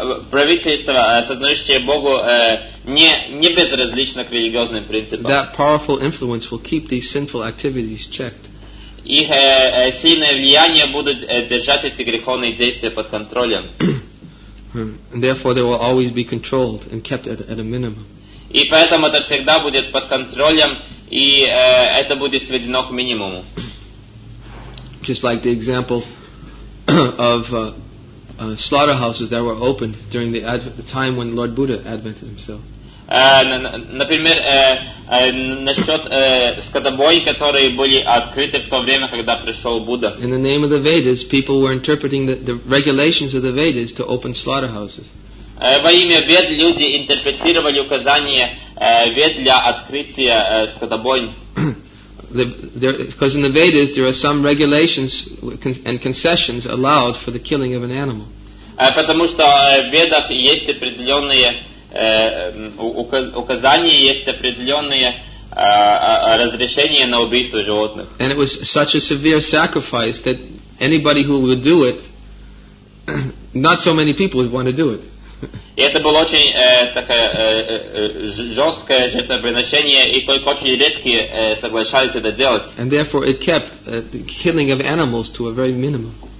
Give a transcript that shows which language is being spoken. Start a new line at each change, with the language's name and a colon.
Russian: правительство, сознающее Богу, не безразлично к религиозным принципам,
English: that powerful influence will keep these sinful activities checked.
Russian: Их сильное влияние будет держать эти греховные действия под контролем.
English: And therefore, they will always be controlled and kept at a minimum.
Russian: И поэтому это всегда будет под контролем, и это будет сведено к минимуму.
English: Just like the example of slaughterhouses that were opened during the time when Lord Buddha advented himself.
Russian: Например, насчет скотобой, которые были открыты в то время, когда пришел Будда.
English: In the name of the Vedas, people were interpreting the regulations of the Vedas to open slaughterhouses.
Russian: Во имя Вед люди интерпретировали указания Вед для открытия скотобойн.
English: Because in the Vedas there are some regulations and concessions allowed for the killing of an animal.
Russian: Потому что в Ведах есть определенные указания, есть определенные разрешения на убийство животных.
English: And it was such a severe sacrifice that anybody who would do it, not so many people would want to do it.
Russian: И это было очень такое жесткое жертвоприношение, и только очень редкие соглашались это делать.
English: And therefore it kept the killing of animals to a very minimum.